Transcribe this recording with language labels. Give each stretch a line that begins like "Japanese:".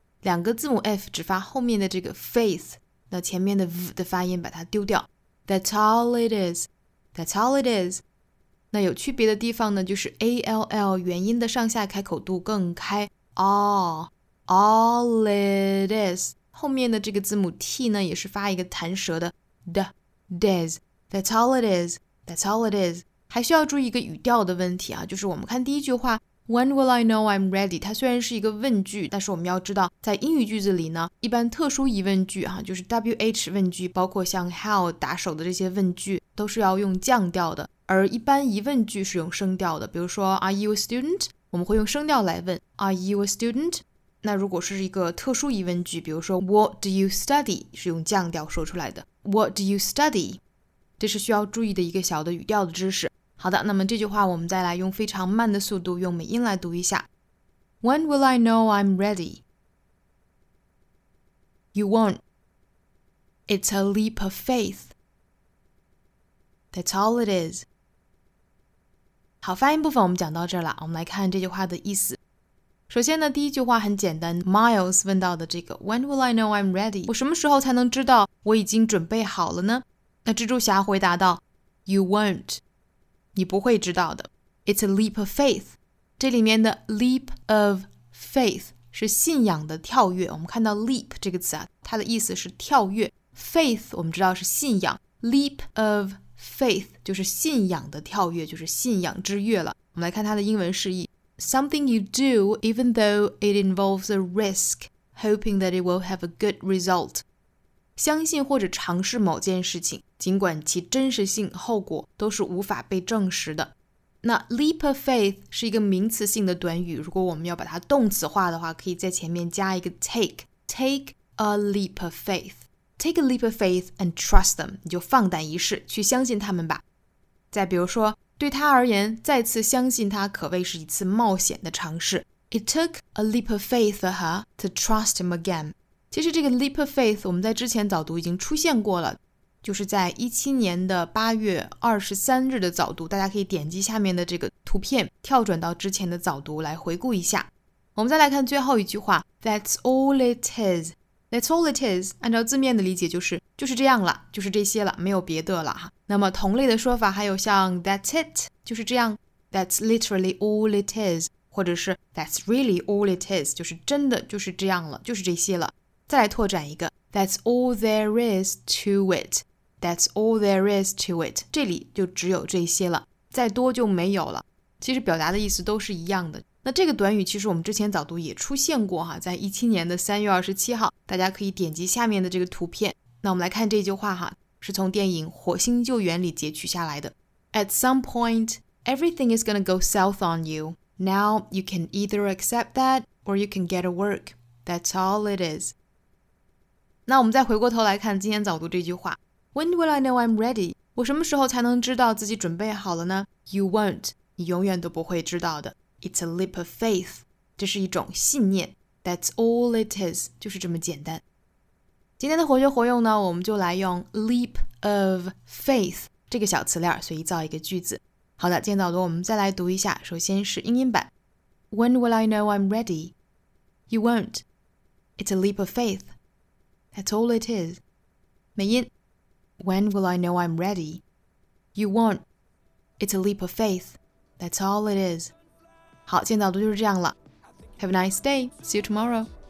Chinese: 两个字母 f 只发后面的这个 faith， 那前面的 v 的发音把它丢掉。
English: That's all it is。
Chinese: 那有区别的地方呢，就是 all 元音的上下开口度更开。
English: All it is，
Chinese: 后面的这个字母 t 呢，也是发一个弹舌的 d。
English: Diz, that's all it is, that's all it is.
Chinese: 还需要注意一个语调的问题啊，就是我们看第一句话
English: When will I know I'm ready?
Chinese: 它虽然是一个问句，但是我们要知道在英语句子里呢，一般特殊疑问句啊，就是 WH 问句，包括像 how 打手的这些问句都是要用降调的，而一般疑问句是用升调的，比如说
English: Are you a student?
Chinese: 我们会用升调来问
English: Are you a student?
Chinese: 那如果是一个特殊疑问句，比如说
English: What do you study?
Chinese: 是用降调说出来的
English: What do you study?
Chinese: 这是需要注意的一个小的语调的知识。好的，那么这句话我们再来用非常慢的速度用美音来读一下。
English: When will I know I'm ready? You won't. It's a leap of faith. That's all it is.
Chinese: 好，发音部分我们讲到这儿了，我们来看这句话的意思。首先呢，第一句话很简单 ，Miles 问到的这个
English: When will I know I'm ready?
Chinese: 我什么时候才能知道我已经准备好了呢？那蜘蛛侠回答道 ：
English: You won't，
Chinese: 你不会知道的。
English: It's a leap of faith。
Chinese: 这里面的 leap of faith 是信仰的跳跃。我们看到 leap 这个词啊，它的意思是跳跃。Faith 我们知道是信仰 ，leap of faith 就是信仰的跳跃，就是信仰之跃了。我们来看它的英文释义。
English: Something you do even though it involves a risk, hoping that it will have a good result.
Chinese: 相信或者尝试某件事情，尽管其真实性、后果都是无法被证实的。那 leap of faith 是一个名词性的短语，如果我们要把它动词化的话，可以在前面加一个 take.
English: Take a leap of faith. Take a leap of faith and trust them.
Chinese: 你就放胆一试，去相信他们吧。再比如说对他而言，再次相信他可谓是一次冒险的尝试。
English: It took a leap of faith for her to trust him again.
Chinese: 其实这个 leap of faith 我们在之前早读已经出现过了，就是在17年的8月23日的早读，大家可以点击下面的这个图片，跳转到之前的早读来回顾一下。我们再来看最后一句话
English: That's all it is. That's all it is.
Chinese: 按照字面的理解就是这样了，就是这些了，没有别的了哈。那么同类的说法还有像
English: that's it,
Chinese: 就是这样
English: that's literally all it is,
Chinese: 或者是
English: that's really all it is,
Chinese: 就是真的就是这样了，就是这些了。再来拓展一个
English: that's all there is to it, that's all there is to it,
Chinese: 这里就只有这些了，再多就没有了。其实表达的意思都是一样的。那这个短语其实我们之前早读也出现过哈，在17年的3月27号，大家可以点击下面的这个图片。那我们来看这句话哈，是从电影《火星救援》里截取下来的。
English: At some point, everything is going to go south on you. Now, you can either accept that or you can get to work. That's all it is.
Chinese: 那我们再回过头来看今天早读这句话。
English: When will I know I'm ready?
Chinese: 我什么时候才能知道自己准备好了呢？
English: You won't.
Chinese: 你永远都不会知道的。
English: It's a leap of faith.
Chinese: 这是一种信念。
English: That's all it is.
Chinese: 就是这么简单。今天的活学活用呢，我们就来用 leap of faith 这个小词链随意造一个句子。好的，今天早读我们再来读一下，首先是英音版。
English: When will I know I'm ready? You won't. It's a leap of faith. That's all it is.
Chinese: 美音。
English: When will I know I'm ready? You won't. It's a leap of faith. That's all it is.
Chinese: 好，今天早读就是这样了。
English: Have a nice day. See you tomorrow.